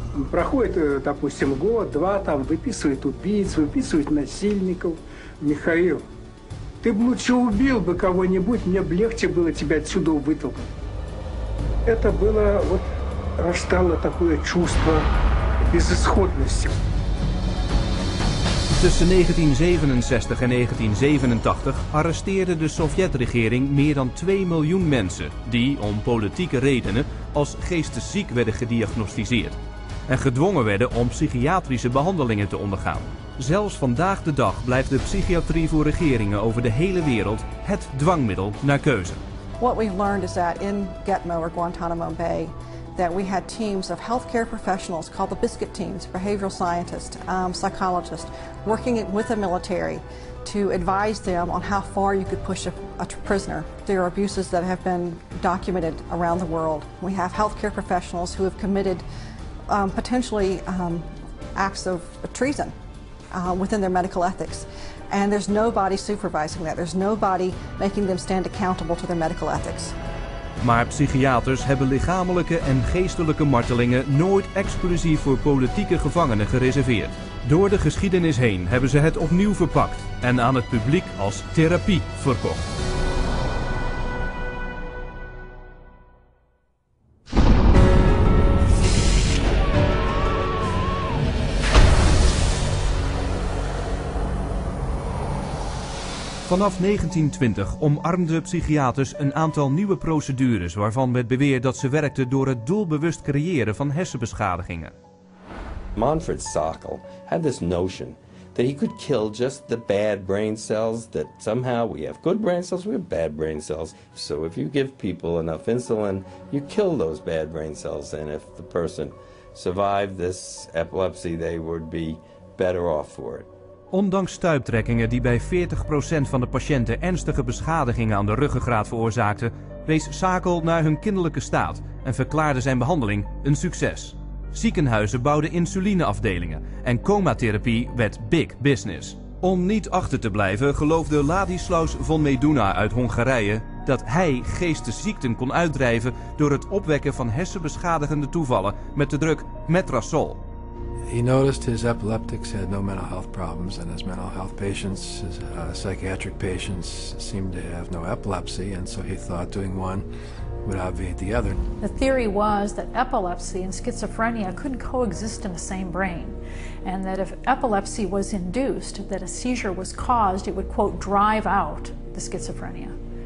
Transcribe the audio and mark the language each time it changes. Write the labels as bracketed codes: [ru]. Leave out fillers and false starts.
[ru] Проходит, допустим, год, два, там, выписывает убийц, выписывает насильников. Михаил, ты бы лучше убил бы кого-нибудь, мне бы легче было тебя отсюда вытолкнуть. Это было, вот, рождало такое чувство безысходности. [nl] Tussen 1967 en 1987 arresteerde de Sovjetregering meer dan 2 miljoen mensen die, om politieke redenen, als geestesziek werden gediagnosticeerd. En gedwongen werden om psychiatrische behandelingen te ondergaan. Zelfs vandaag de dag blijft de psychiatrie voor regeringen over de hele wereld het dwangmiddel naar keuze. [en] What we've learned is that in Gitmo or Guantanamo Bay, that we had teams of healthcare professionals called the biscuit teams, behavioral scientists, psychologists, working with the military to advise them on how far you could push a prisoner. There are abuses that have been documented around the world. We have healthcare professionals who have committed potentially acts of treason within their medical ethics. And there's nobody supervising that. There's nobody making them stand accountable to their medical ethics. [nl] Maar psychiaters hebben lichamelijke en geestelijke martelingen nooit exclusief voor politieke gevangenen gereserveerd. Door de geschiedenis heen hebben ze het opnieuw verpakt en aan het publiek als therapie verkocht. Vanaf 1920 omarmden psychiaters een aantal nieuwe procedures waarvan werd beweerd dat ze werkten door het doelbewust creëren van hersenbeschadigingen. [en] Manfred Sokal had this notion that he could kill just the bad brain cells, that somehow we have good brain cells, we have bad brain cells. So if you give people enough insulin, you kill those bad brain cells, and if the person survived this epilepsy, they would be better off for it. [nl] Ondanks stuiptrekkingen die bij 40% van de patiënten ernstige beschadigingen aan de ruggengraat veroorzaakten, wees Sokal naar hun kinderlijke staat en verklaarde zijn behandeling een succes. Ziekenhuizen bouwden insulineafdelingen en comatherapie werd big business. Om niet achter te blijven geloofde Ladislaus von Meduna uit Hongarije dat hij geestesziekten kon uitdrijven door het opwekken van hersenbeschadigende toevallen met de druk metrazol. [en] He noticed his epileptics had no mental health problems, and his mental health patients, his psychiatric patients, seemed to have no epilepsy, and so he thought doing one would obviate the other. The theory was that epilepsy and schizophrenia couldn't coexist in the same brain, and that if epilepsy was induced, that a seizure was caused, it would, quote, drive out the schizophrenia.